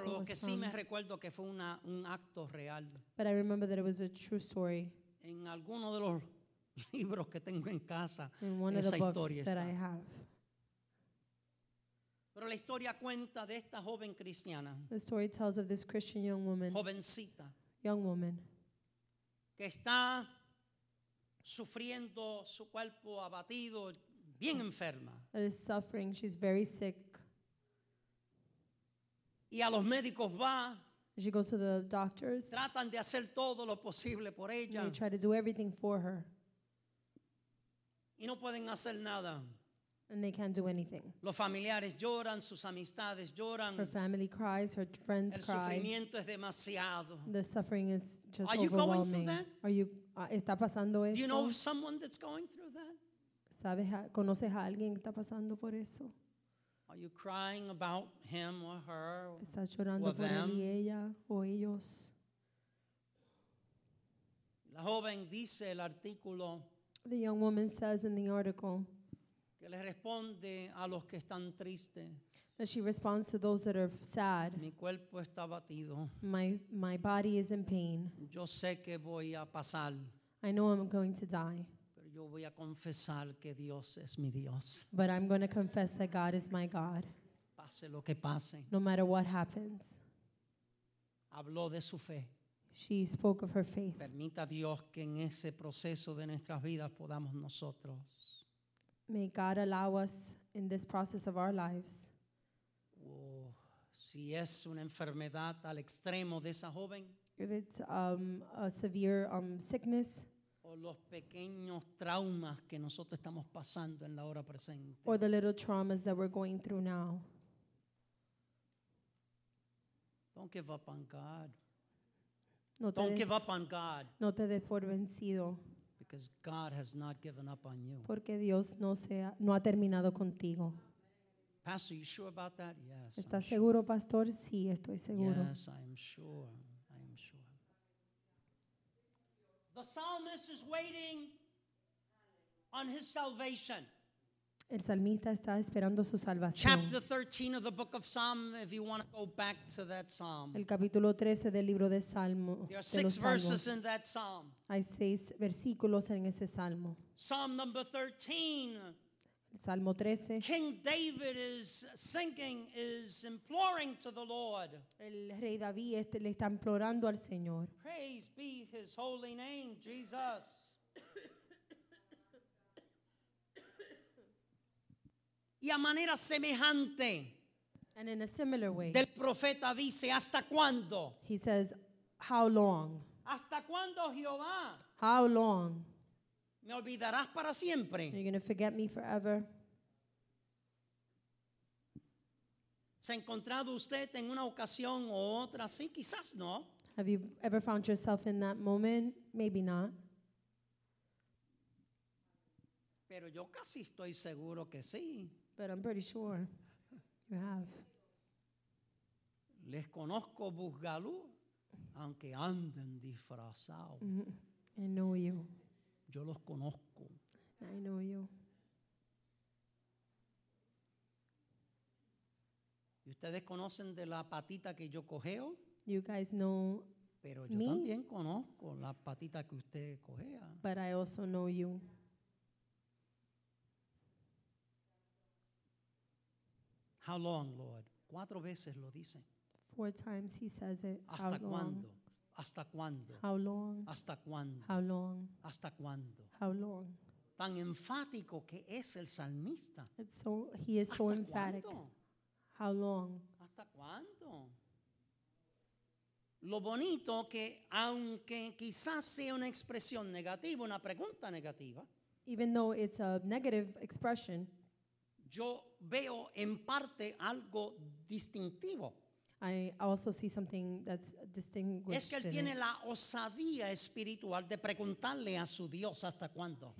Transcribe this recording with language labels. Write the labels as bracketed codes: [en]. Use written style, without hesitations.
[es] Pero lo que sí me recuerdo que fue un acto real. [en] But I remember that it was a true story. [es] En alguno de los libros que tengo en casa, esa historia está. [en] In one of the books that I have. [es] Pero la historia cuenta de esta joven cristiana. [en] The story tells of this Christian young woman. [es] Jovencita. [en] Young woman. [es] Que está sufriendo, su cuerpo abatido, bien enferma. [en] That is suffering. She's very sick. [es] Y a los médicos va. [en] She goes to the doctors. [es] Tratan de hacer todo lo posible por ella. [en] They try to do everything for her. [es] Y no pueden hacer nada. [en] And they can't do anything. [es] Los familiares lloran, sus amistades lloran. [en] Her family cries, her friends [es] el [en] cry. [es] Sufrimiento es demasiado. [en] The suffering is just are overwhelming. Are you going through that? Are you, [es] está pasando esto? [en] Do you know someone that's going through that? [es] ¿Sabes, conoces a alguien que está pasando por eso? [en] Are you crying about him or her? [es] ¿Estás llorando [en] or [es] por [en] them? [es] Él y ella o ellos? La joven dice el artículo. [en] The young woman says in the article. [es] Que le responde a los que están tristes. [en] That she responds to those that are sad. [es] Mi cuerpo está abatido. [en] My body is in pain. [es] Yo sé que voy a pasar. [en] I know I'm going to die. [es] Pero yo voy a confesar que Dios es mi Dios. [en] But I'm going to confess that God is my God. [es] Pase lo que pase. [en] No matter what happens. [es] Habló de su fe. [en] She spoke of her faith. [es] Permita Dios que en ese proceso de nuestras vidas podamos nosotros. [en] May God allow us in this process of our lives. [es] Oh, si es una enfermedad al extremo de esa joven, [en] if it's a severe sickness, [es] o los pequeños traumas que nosotros estamos pasando en la hora presente, [en] or the little traumas that we're going through now. Don't give up on God. No don't give up on God. [es] No te des por vencido. [en] Because God has not given up on you. [es] Porque Dios no ha terminado contigo. [en] Pastor, are you sure about that? Yes. [es] ¿Estás seguro, pastor? Sí, estoy seguro. [en] Yes, I am sure. I am sure. The psalmist is waiting on his salvation. [es] El salmista está esperando su salvación. [en] Chapter 13 of the book of Psalms, if you want to go back to that psalm. [es] El capítulo 13 del libro de Salmo. [en] There are 6 verses in that psalm. [es] Hay 6 versículos en ese salmo. [en] Psalm number 13. [es] El Salmo 13. [en] King David is singing, is imploring to the Lord. [es] El rey David le está implorando al Señor. [en] Praise be his holy name, Jesus. [es] Y a manera semejante, [en] and in a similar way, [es] del profeta dice, ¿hasta cuándo? [en] He says, how long? [es] ¿Hasta cuándo, Jehová? [en] How long? [es] ¿Me olvidarás para siempre? [en] Are you going to forget me forever? [es] ¿Se ha encontrado usted en una ocasión o otra? Sí, quizás no. [en] Have you ever found yourself in that moment? Maybe not. [es] Pero yo casi estoy seguro que sí. [en] But I'm pretty sure you have. [es] Les conozco, Buzgalú, aunque anden disfrazados. [en] I know you. [es] Yo los conozco. [en] I know you. [es] ¿Y ustedes conocen de la patita que yo cogeo? [en] You guys know [es] pero yo [en] me? [es] También conozco la patita que usted cogea. [en] But I also know you. How long, Lord? [es] 4 veces lo dice. [en] 4 times he says it. [es] ¿Hasta cuándo? ¿Hasta cuándo? [en] How long? [es] ¿Hasta cuándo? [en] How long? [es] ¿Hasta cuándo? [en] How long? [es] Tan enfático que es el salmista. [en] It's so, he is so emphatic. [es] ¿Cuándo? [en] How long? [es] ¿Hasta cuándo? Lo bonito que aunque quizás sea una expresión negativa, una pregunta negativa, [en] even though it's a negative expression, [es] yo veo en parte algo distintivo. [en] I also see something that's distinguished. [es] Es que él tiene la osadía espiritual de preguntarle a su Dios hasta cuándo.